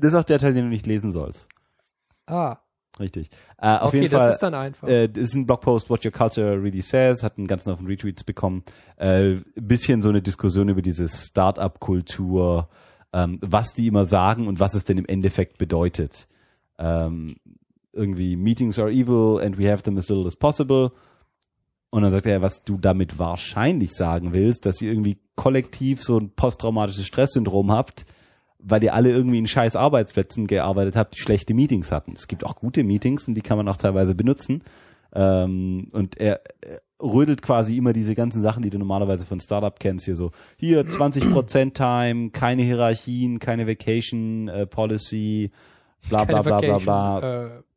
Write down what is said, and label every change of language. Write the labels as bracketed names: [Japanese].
[German] Das ist auch der Teil, den du nicht lesen sollst. Ah. Richtig. Okay, jeden Fall, das ist dann einfach. Das ist ein Blogpost, What Your Culture Really Says, hat einen ganzen Haufen Retweets bekommen. Bisschen so eine Diskussion über diese Startup-Kultur, was die immer sagen und was es denn im Endeffekt bedeutet. Irgendwie, [English] Meetings are evil and we have them as little as possible. [German] Und dann sagt er, was du damit wahrscheinlich sagen willst, dass ihr irgendwie kollektiv so ein posttraumatisches Stresssyndrom habt, weil ihr alle irgendwie in scheiß Arbeitsplätzen gearbeitet habt, die schlechte Meetings hatten. Es gibt auch gute Meetings und die kann man auch teilweise benutzen. Und er rödelt quasi immer diese ganzen Sachen, die du normalerweise von Startup kennst, hier so, hier 20% Time, keine Hierarchien, keine Vacation Policy, bla bla bla bla bla.